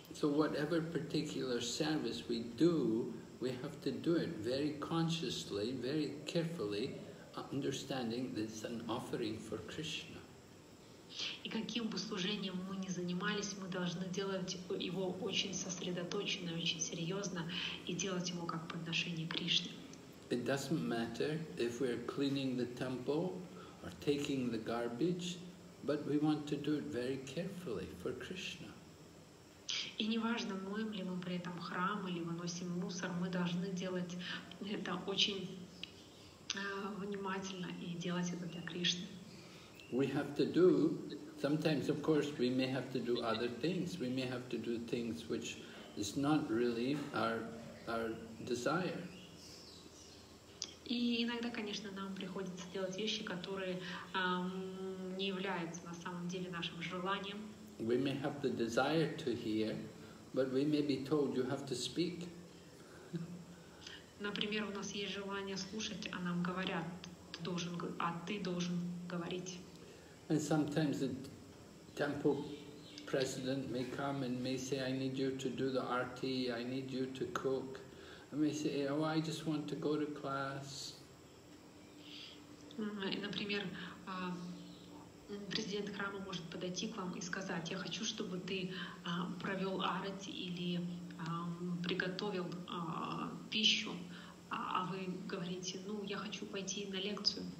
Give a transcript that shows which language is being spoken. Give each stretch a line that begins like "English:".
English: So whatever particular service we do, we have to do it very consciously, very carefully, understanding that it's an offering for Krishna.
Russian: И каким бы служением мы ни занимались, мы должны делать его очень сосредоточенно, очень серьезно и делать его как подношение Кришне.
English: It doesn't matter if we're cleaning the temple or taking the garbage, but we want to do it very carefully for Krishna.
Russian: И неважно, моем ли мы при этом храм или выносим мусор, мы должны делать это очень внимательно и делать это для Кришны.
English: We have to do, sometimes of course we may have to do other things, we may have to do things which is not really our desire.
Russian: И иногда, конечно, нам приходится делать вещи, которые не являются на самом деле нашим желанием.
English: We may have the desire to hear, but we may be told you have to speak.
Russian: Например, у нас есть желание слушать, а нам говорят, ты должен говорить.
English: And sometimes the temple president may come and may say, I need you to do the arti, I need you to cook. I may say, oh, I just want to go to class.
Russian: Например, президент храма может подойти к вам и сказать, я хочу, чтобы ты провел арти или приготовил пищу, а вы говорите, ну, я хочу пойти на лекцию.